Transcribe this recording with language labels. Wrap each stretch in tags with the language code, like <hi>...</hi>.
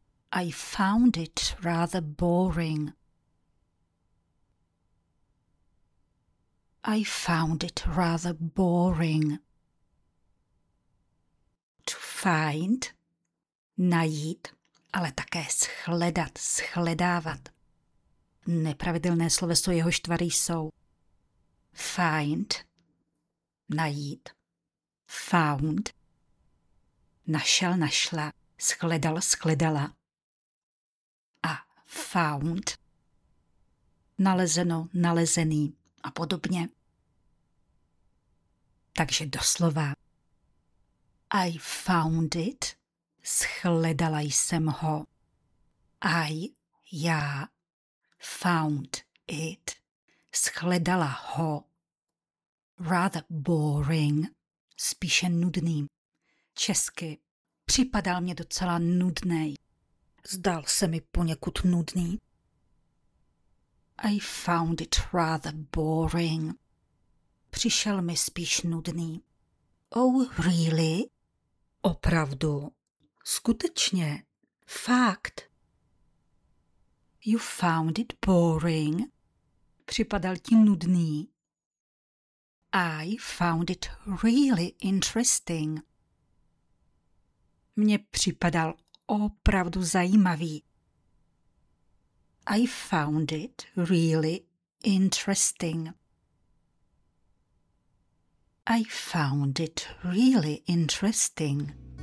<en>I found it rather boring. I found it rather boring.</en> <cs>To find, najít, ale také shledat, shledávat. Nepravidelné sloveso jehož tvary jsou find, najít, found, našel, našla, shledal, shledala a found, nalezeno, nalezený a podobně. Takže doslova</cs> <en>I found it,</en> <cs>shledala jsem ho. Já</cs> <en>found it,</en> <cs>shledala ho.</cs> <en>Rather boring,</en> <cs>spíše nudný. Česky, připadal mě docela nudný. Zdál se mi poněkud nudný.</cs> <en>I found it rather boring.</en> <cs>Přišel mi spíš nudný.</cs> <en>Oh, really?</en> <cs>Opravdu? Skutečně? Fakt?</cs> <en>You found it boring?</en> <cs>Připadal ti nudný?</cs> <en>I found it really interesting.</en> <cs>Mně připadal opravdu zajímavý.</cs> <en>I found it really interesting. I found it really interesting.</en>